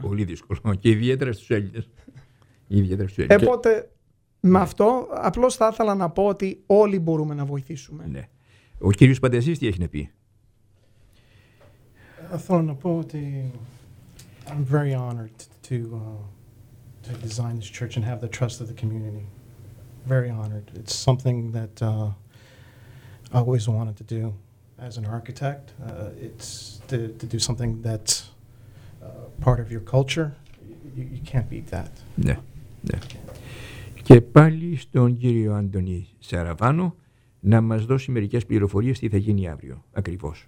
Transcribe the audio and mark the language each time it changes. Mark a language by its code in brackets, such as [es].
[el] Πολύ δύσκολο και ιδιαίτερα στους Έλληνες. Επότε, με αυτό απλώς θα ήθελα να πω ότι όλοι μπορούμε να βοηθήσουμε. Ναι. Ο κύριος Παντεζής τι έχει να πει? Θέλω να πω ότι [en] I'm very honored to design this church and have the trust of the community. Very honored. It's something that I always wanted to do as an architect. It's to do something that's part of your culture. You can't beat that. [el] Ναι, ναι. Και πάλι στον κύριο Άντωνη Σαραβάνο να μας δώσει μερικές πληροφορίες τι θα γίνει αύριο ακριβώς.